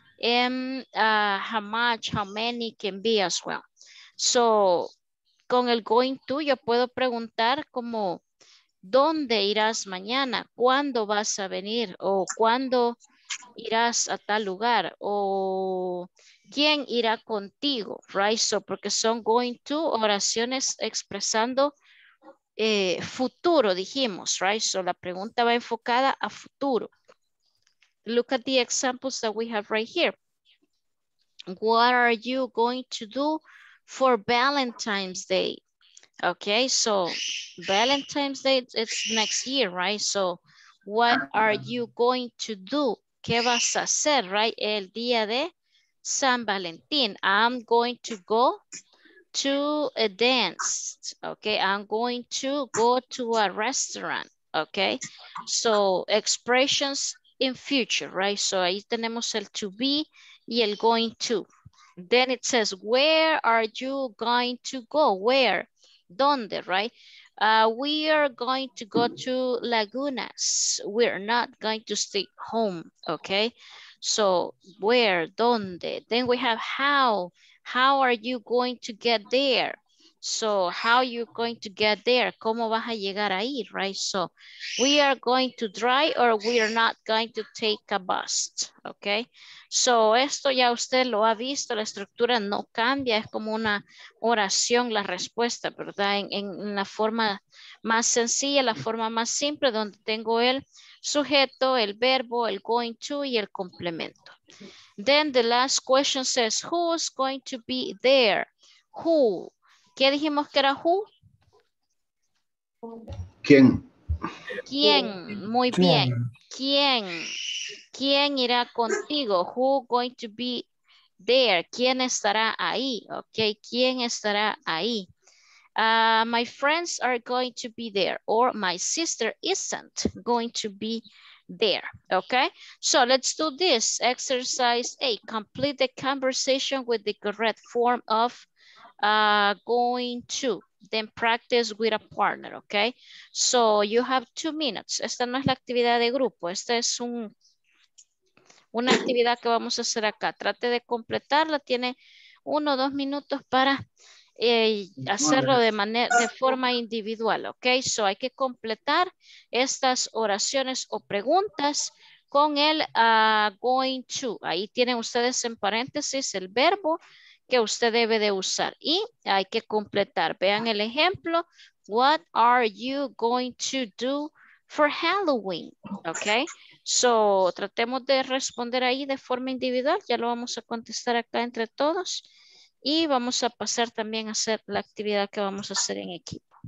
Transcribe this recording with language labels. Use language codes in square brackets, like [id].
[en] How much, how many can be as well. [es] So, con el going to, yo puedo preguntar como, ¿dónde irás mañana? ¿Cuándo vas a venir? O ¿cuándo irás a tal lugar? O ¿quién irá contigo? Right? So, porque son going to, oraciones expresando futuro, dijimos. Right? So, la pregunta va enfocada a futuro. [en] Look at the examples that we have right here. What are you going to do for Valentine's Day? Okay, so Valentine's Day, it's next year, right? So what are you going to do? [es] ¿Qué vas a hacer, [en] right? [es] El día de San Valentín. [en] I'm going to go to a dance. Okay, I'm going to go to a restaurant. Okay, so expressions in future, right? [es] So ahí tenemos el to be y el going to. [en] Then it says, where are you going to go? Where? Donde, right? We are going to go to Lagunas. We're not going to stay home, okay? So where, donde? Then we have how. How are you going to get there? So how are you going to get there? [es] ¿Cómo vas a llegar ahí, [en] right? So we are going to drive or we are not going to take a bus, okay? [es] So esto ya usted lo ha visto, la estructura no cambia, es como una oración la respuesta, ¿verdad? En la forma más sencilla, la forma más simple, donde tengo el sujeto, el verbo, el going to y el complemento. [en] Then the last question says, who's going to be there? [es] Who? ¿Qué dijimos que era who? ¿Quién? ¿Quién? Muy ¿quién? Bien. ¿Quién? ¿Quién irá contigo? [en] Who going to be there? [es] ¿Quién estará ahí? Okay. ¿Quién estará ahí? [en] My friends are going to be there, or my sister isn't going to be there. Okay, so let's do this exercise A. Complete the conversation with the correct form of going to, then practice with a partner. Okay, so you have 2 minutes. [es] Esta no es la actividad de grupo, esta es una actividad que vamos a hacer acá. Trate de completarla, tiene 1 o 2 minutos para hacerlo de forma individual, ¿ok? So hay que completar estas oraciones o preguntas con el going to. Ahí tienen ustedes en paréntesis el verbo que usted debe de usar y hay que completar. Vean el ejemplo. [en] What are you going to do for Halloween? ¿Ok? [es] So tratemos de responder ahí de forma individual. Ya lo vamos a contestar acá entre todos. Y vamos a pasar también a hacer la actividad que vamos a hacer en equipo.